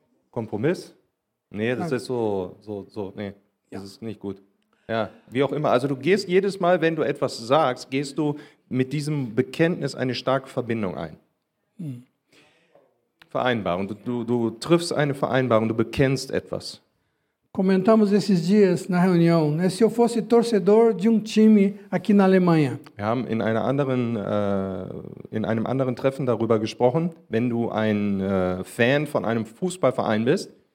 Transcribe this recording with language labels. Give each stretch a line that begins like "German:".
German: Kompromiss? Nee, das ist so, nee, das ist nicht gut. Ja, wie auch immer. Also du gehst jedes Mal, wenn du etwas sagst, gehst du mit diesem Bekenntnis eine starke Verbindung ein. Vereinbarung. Du triffst eine Vereinbarung, du bekennst etwas.
Portuguese: Comentamos esses dias na reunião, né? Se eu fosse torcedor de time aqui na Alemanha.
German: Wir haben in einem anderen Treffen darüber gesprochen, wenn du ein Fan von einem Fußballverein bist.